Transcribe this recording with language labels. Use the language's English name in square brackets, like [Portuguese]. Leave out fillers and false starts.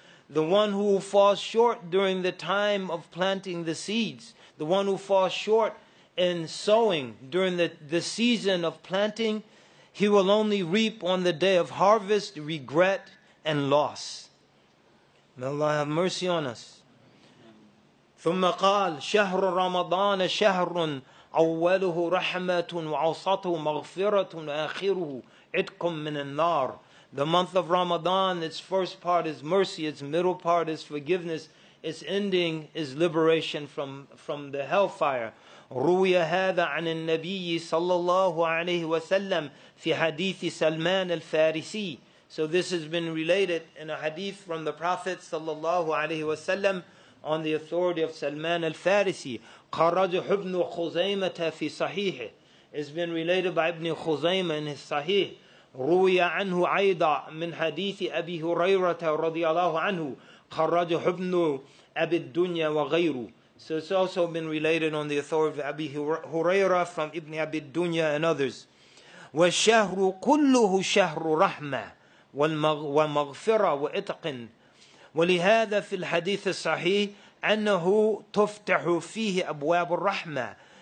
[English] The one who falls short during the time of planting the seeds, the one who falls short in sowing during the season of planting, he will only reap on the day of harvest regret and loss. May Allah have mercy on us. [Arabic] ثم قال شهر رمضان شهر أوله رحمة وعوسطه مغفرة وآخره عتق من النار. [English] The month of Ramadan, its first part is mercy, its middle part is forgiveness, its ending is liberation from the hellfire. [Arabic] روي هذا عن النبي صلى الله عليه وسلم في حديث سلمان الفارسي. [English] So this has been related in a hadith from the Prophet sallallahu alaihi wasallam on the authority of Salman al-Farisi. [Arabic] Kharaja ibn Khuzaymah fi sahih. [English] It's been related by Ibn Khuzaymah in his sahih. [Arabic] روي عنه أيضا من حديث أبي هريرة رضي الله عنه خرجه ابن أبي الدنيا وغيره. [English] So it's also been related on the authority of Abi Huraira from Ibn Abi Dunya and others. [Arabic] وَالشَّهْرُ كُلُّهُ شَهْرُ رَحْمَةٍ وَمَغْفِرَةٍ وَإِتْقٍ وَلِهَذَا فِي الْحَدِيثِ الصَّحِيحِ أَنَّهُ تُفْتَحُ فِيهِ أَبْوَابُ الرَّحْمَةِ.